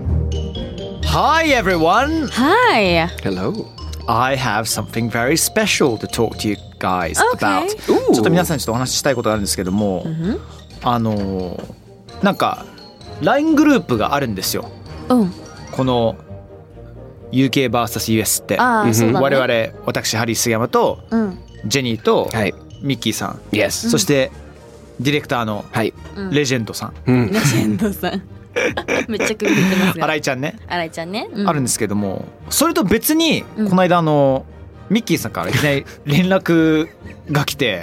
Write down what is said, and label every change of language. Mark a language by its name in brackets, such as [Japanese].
[English] 2. Hi, everyone. Hi. Hello. I have something very special to talk to you guys about. Okay. Ooh. [Japanese] ちょっと皆さんにちょっとお話ししたいことがあるんですけども、 mm-hmm. あのなんか LINE グループがあるんですよ。この UK vs US って、 mm-hmm. 我々私ハリー杉山と、ジェニーと、はい、ミッキーさん、 [English] yes. [Japanese] そしてディレクターの、はい、レジェンドさん、レジェンドさん。めっちゃ首振ってますね。新井ちゃんね。新井ちゃんね、うん。あるんですけども、それと別に、この間、ミッキーさんからいきなり連絡が来て。